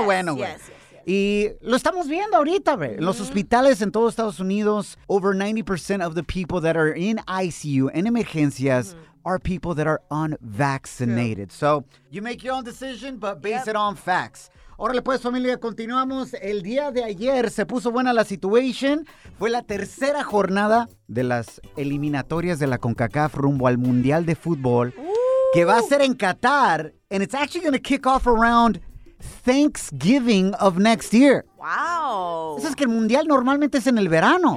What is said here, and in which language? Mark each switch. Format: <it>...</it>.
<es>lo bueno,</es> <en>yes,</en> <es>güey.</es> <en>Yes, yes.</en> <es>Y lo estamos viendo ahorita, güey. Mm-hmm. En los hospitales en todos Estados Unidos,</es> <en>over 90% of the people that are in ICU,</en> <es>en emergencias, mm-hmm.</es> <en>are people that are unvaccinated. True. So, you make your own decision, but base yep. it on facts.</en> <es>Órale pues, familia, continuamos. El día de ayer se puso buena la situation. Fue la tercera jornada de las eliminatorias de la CONCACAF rumbo al Mundial de Fútbol. Ooh. Que va a ser en Qatar.</es> <en>And it's actually going to kick off around Thanksgiving of next year. Wow.</en> <es>Eso es que el Mundial normalmente es en el verano.</es>